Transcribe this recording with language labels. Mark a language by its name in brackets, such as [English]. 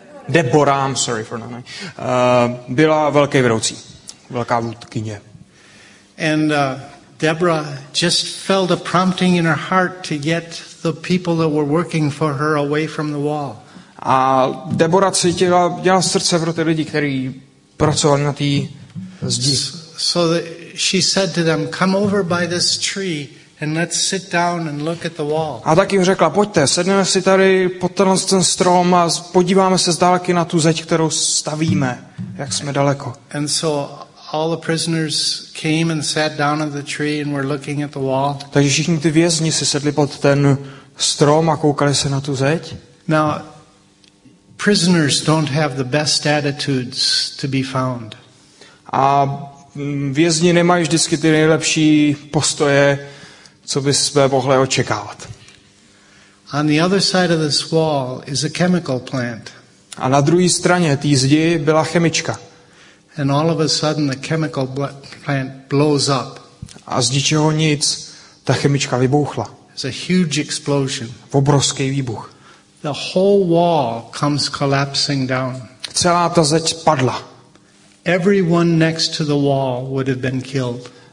[English] Deborah, I'm sorry for that. [Czech] Byla velký vedoucí, velká vůdkyně. [English] And Deborah just felt a prompting in her heart to get the people that were working for her away from the wall. [Czech] A Debora cítila, měla srdce pro ty lidi, kteří pracovali na té zdi. [English] So she said to them, come over by this tree and let's sit down and look at the wall. [Czech] A tak jim řekla, pojďte, sedneme si tady pod ten strom a podíváme se z dálky na tu zeď, kterou stavíme, jak jsme daleko. [English] And so all the prisoners came and sat down at the tree and were looking at the wall. [Czech] Takže všichni ty vězni si sedli pod ten strom a koukali se na tu zeď. [English] Now, prisoners don't have the best attitudes to be found. [Czech] A vězni nemají vždycky ty nejlepší postoje, co bychom mohli očekávat. [English] On the other side of this wall is a chemical plant. [Czech] A na druhé straně té zdi byla chemička. [English] And all of a sudden the chemical plant blows up. [Czech] A z ničeho nic ta chemička vybuchla. [English] It's a huge explosion. [Czech] Obrovský výbuch. [English] The whole wall comes collapsing down. [Czech] Celá ta zeď padla. [English] Everyone next to the wall would have been killed.